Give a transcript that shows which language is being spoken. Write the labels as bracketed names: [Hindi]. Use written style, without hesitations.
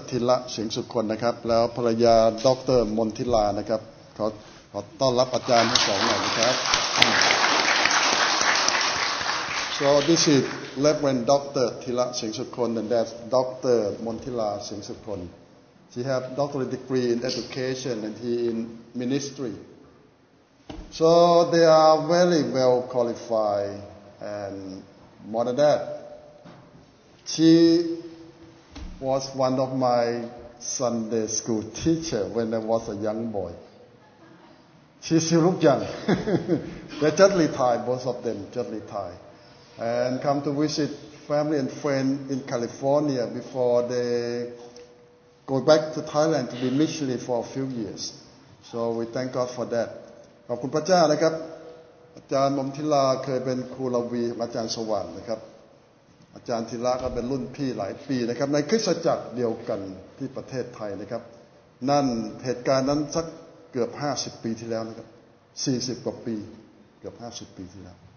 [Thai] ธีระสิงห์สุคนนะครับแล้วภรรยาดร.มนทิลานะครับขอต้อนรับอาจารย์ทั้งสองหน่อยนะครับ [English] So this is Reverend Dr. Thila Singh Sukhon and that's Dr. Monthila Singh Sukhon. She has doctorate degree in education and he in ministry. So they are very well qualified and more than that. She was one of my Sunday school teacher when I was a young boy. She still looks young. They just retired, both of them just retired. And come to visit family and friends in California before they go back to Thailand to be missionary for a few years. So we thank God for that. [Thai] ขอบคุณพระเจ้านะครับอาจารย์มมทิลาเคยเป็นครูรวีอาจารย์สว่างนะครับอาจารย์ธิลาก็เป็นรุ่นพี่หลายปีนะครับในคริสตจักรเดียวกันที่ประเทศไทยนะครับนั่นเหตุการณ์นั้นสักเกือบ50ปีที่แล้วนะครับ40กว่าปีเกือบ50ปีที่แล้ว